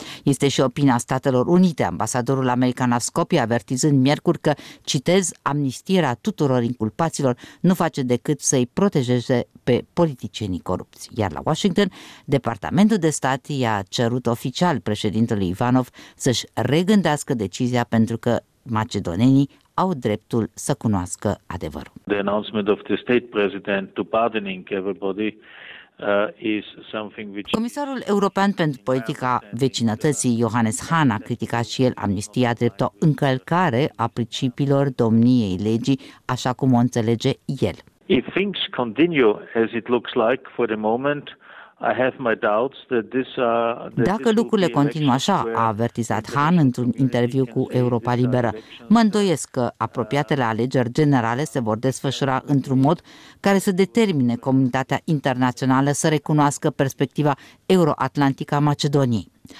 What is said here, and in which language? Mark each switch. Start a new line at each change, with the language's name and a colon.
Romanian: Este și opinia Statelor Unite, ambasadorul american la Skopje, avertizând miercuri că, citez, amnistierea tuturor inculpaților nu face decât să-i protejeze pe politicienii corupți. Iar la Washington, Departamentul de Stat i-a cerut oficial președintelui Ivanov să-și regândească decizia pentru că macedonenii au dreptul să cunoască adevărul.
English: The announcement of the state president to pardoning everybody is something which...
Romanian: Comisarul European pentru politica vecinătății Johannes Hahn a criticat și el amnistia drept o încălcare a principiilor domniei legii, așa cum o înțelege el.
English: If things continue as it looks like for the moment, I have my doubts that this
Romanian: Dacă lucrurile continuă așa, a avertizat Hahn într-un interviu cu Europa Liberă, mă îndoiesc că apropiatele alegeri generale se vor desfășura într-un mod care să determine comunitatea internațională să recunoască perspectiva euroatlantică a Macedoniei.